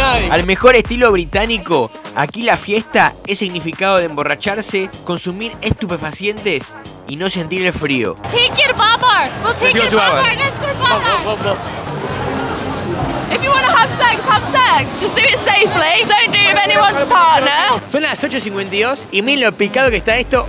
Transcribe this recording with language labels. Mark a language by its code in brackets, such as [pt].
[es] Al mejor estilo británico, aquí la fiesta es significado de emborracharse, consumir estupefacientes y no sentir el frío. [en] Take your bobber. We'll take your bobber. Let's go. If you want to have sex, just do it safely. Don't do it with anyone's partner. [es] Son las 8:52 y miren lo picado que está esto.